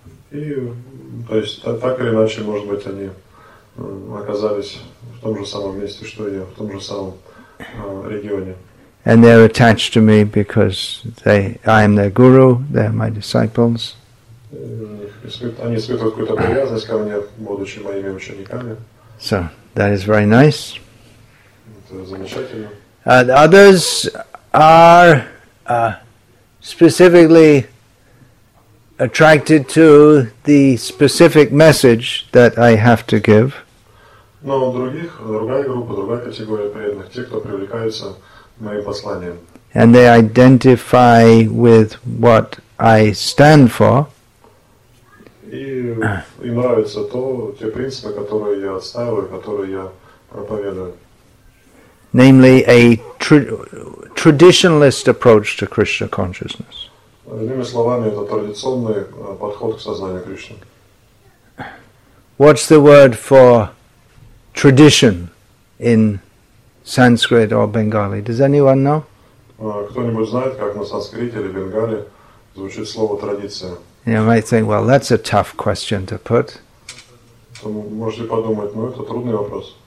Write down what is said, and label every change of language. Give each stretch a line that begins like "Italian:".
Russian: И, то есть, так или иначе, может быть, они оказались в том же самом месте, что и я, в том же самом регионе.
English: And they're attached to me because I am their guru, they're my disciples.
Russian: Они испытывают какую-то привязанность ко мне, будучи моими учениками.
English: So, that is very nice.
Russian: Это замечательно.
English: And others are specifically attracted to the specific message that I have to give.
Russian: Но других, другая группа, другая категория преданных, те, кто привлекается моим посланием.
English: And they identify with what I stand for.
Russian: И им нравится то, те принципы, которые я отстаиваю, которые я проповедую.
English: Namely, a traditionalist approach to Krishna consciousness.
Russian: Другими словами, это традиционный подход к сознанию Кришны.
English: What's the word for tradition in Sanskrit or Bengali? Does anyone know?
Russian: Кто-нибудь знает, как на санскрите или бенгали звучит слово традиция?
English: You might think, well, that's a tough question to put.
Russian: Можете подумать, ну это трудный вопрос.